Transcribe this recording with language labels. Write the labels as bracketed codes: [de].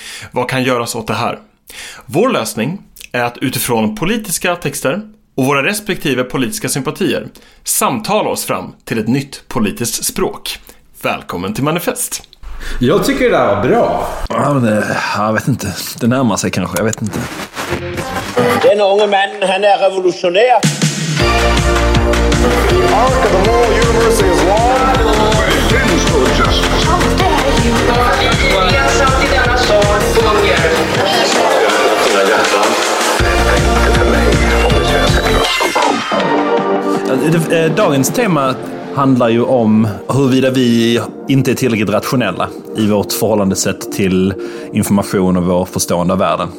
[sv] Vad kan göras åt det här? Vår lösning är att utifrån politiska texter och våra respektive politiska sympatier samtala oss fram till ett nytt politiskt språk. Välkommen till Manifest! Jag tycker det är bra. Ja, men det, jag vet inte. Det närmar sig kanske, jag vet inte. Den unge mannen, han är revolutionär. [en] The arc of the whole universe is long. It tends to adjust. How dare you? [sv] Vi har satt i denna sån gånger. Dagens tema handlar ju om huruvida vi inte är tillräckligt rationella i vårt förhållandesätt till information och vår förstående av världen.